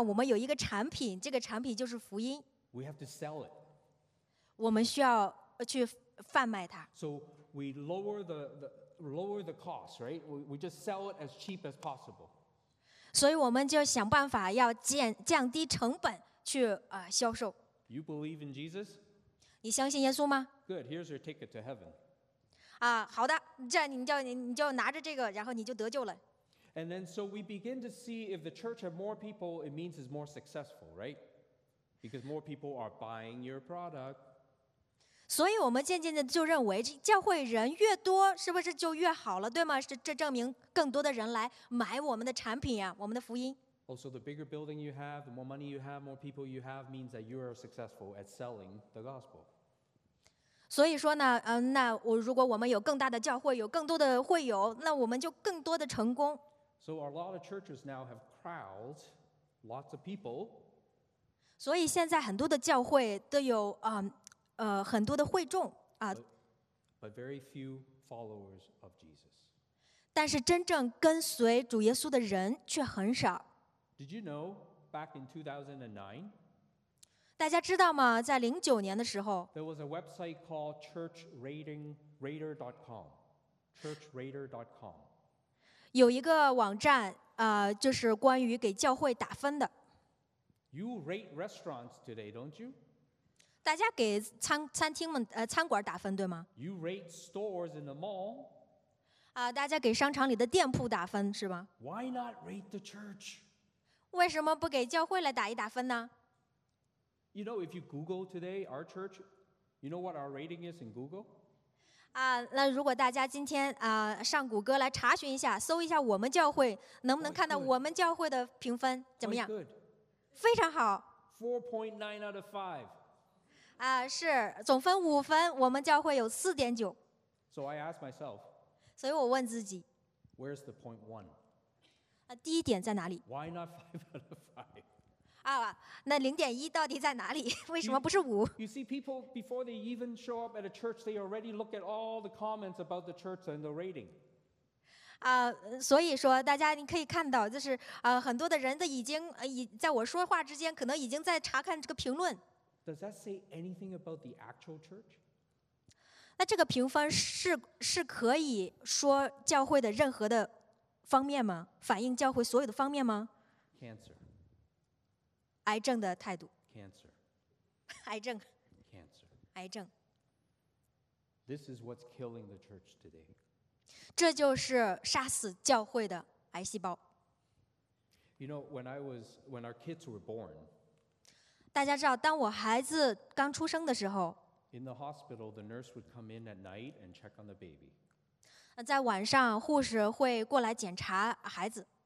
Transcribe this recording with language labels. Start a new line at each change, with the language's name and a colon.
Chinese: 我们有一个产品，这个产品就是福音。
English: We have to sell it.
Chinese: 我们需要去贩卖它。
English: So we lower the cost, right? We just sell it as cheap as possible.
Chinese: 所以我们就想办法要降低成本去销售。
English: You believe in Jesus?
Chinese: 你相信耶稣吗？
English: Good. Here's your ticket to heaven.
Chinese: 好的，这样你就拿着这个，然后你就得救了。
English: And then so we begin to see if the church have more people, it means it's more successful, right? Because more people are buying your product.
Chinese: 所以我们渐渐的就认为教会人越多是不是就越好了，对吗？这证明更多的人来买我们的产品啊，我们的福音。
English: Also, the bigger building you have, the more money you have, more people you have, means that you are successful at selling the gospel.
Chinese: 所以说呢，那如果我们有更大的教会，有更多的会友，那我们就更多的成功。
English: So a lot of churches now have crowds, lots of people.
Chinese: 所以现在很多的教会都有很多的会众啊。
English: But very few followers of Jesus.
Chinese: 但是真正跟随主耶稣的人却很少。
English: Did you know back in 2009?
Chinese: 大家知道吗？在2009年的时候。
English: There was a website called churchraider.com. Churchraider.com.
Chinese: 有一个网站就是关于给教会打分的。
English: You rate restaurants today, don't you?
Chinese: 大家给餐馆打分，对吗？
English: You rate stores in the mall.
Chinese: 大家给商场里的店铺打分，是吗？
English: Why not rate the church?
Chinese: 为什么不给教会来打一打分呢？
English: You know, if you Google today, our church, you know what our rating is in Google?
Chinese: 那如果大家今天上谷歌来查询一下，搜一下我们教会，能不能看到我们教会的评分怎么样？
English: Good.
Chinese: 非常好
English: 4.9 out of 5
Chinese: 是总分5分，我们教会有 4.9。
English: So I ask myself,
Chinese: 所以我问自己，
English: Where's the point one?
Chinese: 第一点在哪里？
English: Why not 5 out of 5?
Chinese: 那 0.1 到底在哪里？为什么不是 5?
English: You see people before they even show up at a church, they already look at all the comments about the church and the rating.
Chinese: 所以说大家你可以看到就是很多的人都已经在我说话之间可能已经在查看这个评论。
English: Does that say anything about the actual church?
Chinese: 那这个评分是可以说教会的任何的方面吗？反映教会所有的方面吗？
English: Cancer.
Chinese: 癌症的态度。
English: Cancer.
Chinese: 癌症。
English: Cancer.
Chinese: 癌症。
English: This is what's killing the church today.
Chinese: 这就是杀死教会的癌细胞。
English: You know, when our kids were born,
Chinese: 大家知道，当我孩子刚出生的时候
English: ，in the hospital, the nurse would come in at night and check on the baby.
Chinese: 在晚上，护士会过来检查孩子。